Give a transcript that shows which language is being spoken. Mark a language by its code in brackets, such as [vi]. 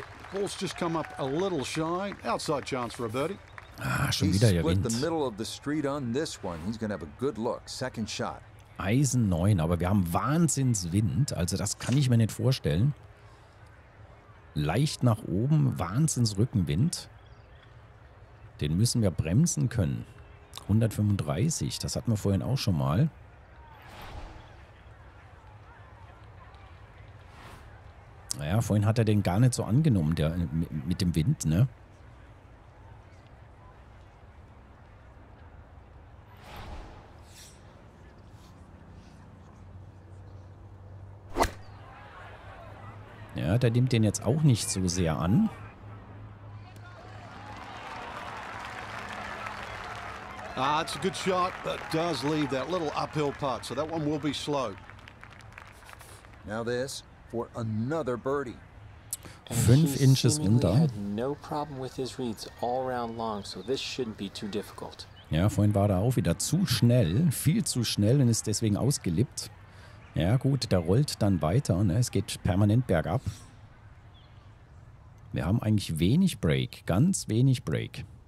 [en] Ball's just come up a little shy. Outside chance for a birdie. [de] Ah, schon wieder hier [en] Wind. The middle of the street on this one. He's gonna have a good look. Second shot. [de] Eisen 9, aber wir haben Wahnsinnswind. Also das kann ich mir nicht vorstellen. Leicht nach oben, Wahnsinnsrückenwind. Den müssen wir bremsen können. 135, das hatten wir vorhin auch schon mal. Naja, vorhin hat er den gar nicht so angenommen, der mit dem Wind, ne? Ja, der nimmt den jetzt auch nicht so sehr an. [en] Ah, it's a good shot, but does leave that little uphill putt, so that one will be slow. Now this. For another birdie. [de] Fünf Inches runter. [en] No problem with his reads all round long, so this shouldn't be too difficult. [de] Ja, vorhin war er auch wieder zu schnell, viel zu schnell und ist deswegen ausgelippt. Ja gut, der rollt dann weiter, ne? Es geht permanent bergab. Wir haben eigentlich wenig Break, ganz wenig Break.